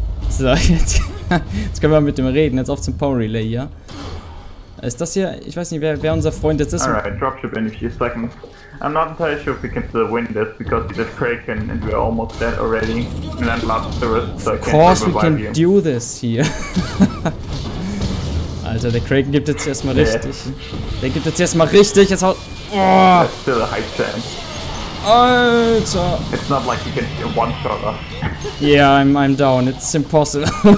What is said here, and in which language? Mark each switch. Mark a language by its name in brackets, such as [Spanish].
[German] So, jetzt können wir mit dem reden. Jetzt auf zum Power Relay, ja? Ist das hier? Ich weiß nicht, wer unser Freund jetzt ist. [English] Alright, dropship in a few seconds. I'm not entirely sure if we can still win this, because we just Kraken and we're almost dead already. And then last the rest, so of course we can do this here. [German] Alter, der Kraken gibt jetzt erstmal richtig. Der gibt jetzt erstmal richtig, jetzt haut... Oh. [English] That's still a high chance. [German] Alter! [English] It's not like you can one-shot us. Yeah, I'm down, it's impossible.